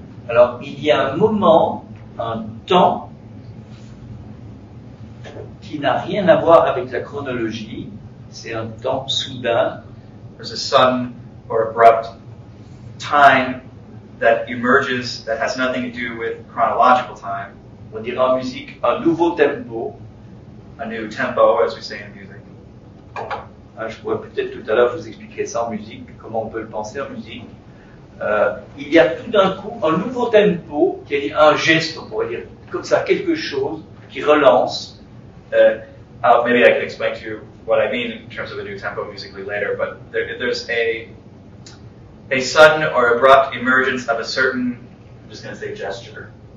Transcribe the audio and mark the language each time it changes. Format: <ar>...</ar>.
<fr>Alors, il y a un moment, un temps, qui n'a rien à voir avec la chronologie. C'est un temps soudain.</fr> <en>There's a sudden or abrupt time that emerges that has nothing to do with chronological time.</en> <fr>On dira en musique un nouveau tempo.</fr> <en>A new tempo, as we say in music.</en> <fr>Je pourrais peut-être tout à l'heure vous expliquer ça en musique, comment on peut le penser en musique. Il y a tout d'un coup un nouveau tempo, qui est un geste, on pourrait dire, comme ça, quelque chose qui relance.</fr> <en>Maybe I can explain to you what I mean in terms of a new tempo musically later, but there's a sudden or abrupt emergence of a certain, I'm just going to say gesture.</en>